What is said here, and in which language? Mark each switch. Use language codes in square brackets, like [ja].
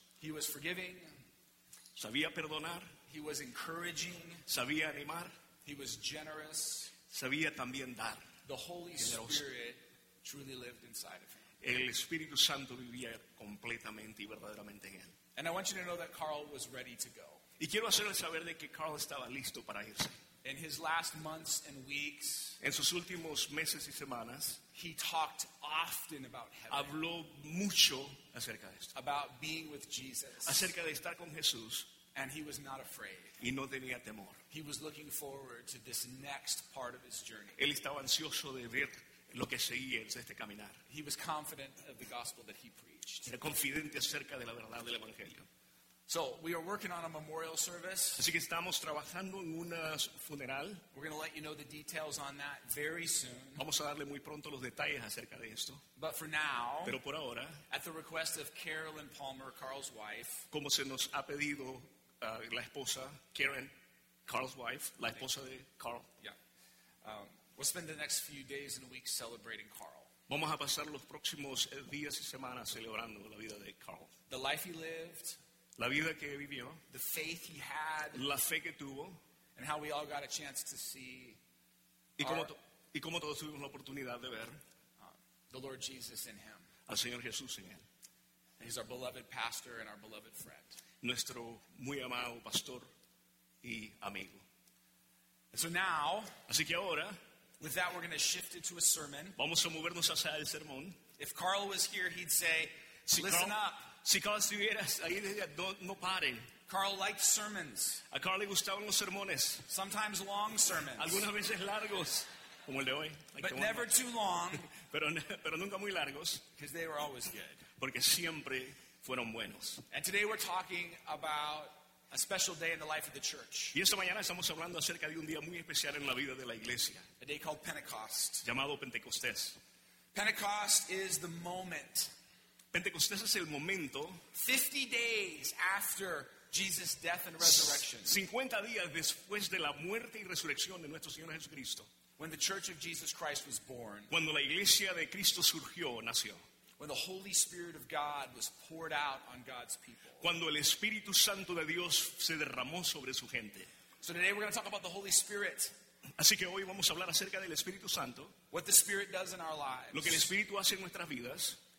[en] He was forgiving. [es] Sabía perdonar. [en] He was encouraging. [es] Sabía animar. [en] He was generous. [es] Sabía también dar. [en] The Holy [es] generoso. [en] Spirit truly lived inside of him. [es] El Espíritu Santo vivía completamente y verdaderamente en él. [en] And I want you to know that Carl was ready to go. [es] Y quiero hacerles saber de que Carl estaba listo para irse. [en] In his last months and weeks, [es] en sus últimos meses y semanas, [en] he talked often about heaven. [es] Habló mucho acerca de esto. [en] About being with Jesus. [es] Acerca de estar con Jesús. [en] And he was not afraid. [es] Y no tenía temor. [en] He was looking forward to this next part of his journey. [es] Él estaba ansioso de ver lo que seguía en este caminar. [en] He was confident of the gospel that he preached. [es] Era confidente acerca de la verdad del evangelio. [en] So we are working on a memorial service. [es] Así que estamos trabajando en un funeral. [en] We're going to let you know the details on that very soon. [es] Vamos a darle muy pronto los detalles acerca de esto. [en] But for now, [es] pero por ahora, [en] at the request of Carolyn Palmer, Carl's wife, [es] como se nos ha pedido la esposa Karen, [en] Carl's wife, [es] la esposa de Carl. [en] Yeah. We'll spend the next few days and weeks celebrating Carl. [es] Vamos a pasar los próximos días y semanas celebrando la vida de Carl. [en] The life he lived. [es] La vida que vivió, [en] the faith he had, [es] la fe que tuvo, [en] and how we all got a chance to see [es] y cómo todos tuvimos la oportunidad de ver [en] the Lord Jesus in him. [es] Al Señor Jesús en él. [en] And he's our beloved pastor and our beloved friend. [es] Nuestro muy amado pastor y amigo. [en] And so now, [es] así que ahora, [en] with that we're going to shift it to a sermon. [es] Vamos a movernos hacia el sermón. [en] If Carl was here, he'd say, [es] si [en] listen Carl, up. [es] Si Carl estuviera ahí, no paren. [en] Carl liked sermons. [es] A Carl le gustaban los sermones. [en] Sometimes long sermons. [es] Algunas veces largos, como el de hoy. [en] Like but never too long. [es] Pero nunca muy largos. [en] Because they were always good. [es] Porque siempre fueron buenos. [en] And today we're talking about a special day in the life of the church. [es] Y esta mañana estamos hablando acerca de un día muy especial en la vida de la iglesia. [en] A day called Pentecost. [es] Llamado Pentecostés. [en] Pentecost is the moment. [es] Pentecostés es el momento [en] 50 days after Jesus' death and resurrection. [es] 50 días después de la muerte y resurrección de nuestro Señor Jesucristo. [en] When the Church of Jesus Christ was born. [es] Cuando la iglesia de Cristo surgió, nació. [en] When the Holy Spirit of God was poured out on God's people. [es] Cuando el Espíritu Santo de Dios se derramó sobre su gente. [en] So today we're going to talk about the Holy Spirit. [es] Así que hoy vamos a hablar acerca del Espíritu Santo. [en] What the Spirit does in our lives. [es] Lo que el Espíritu hace en nuestras vidas.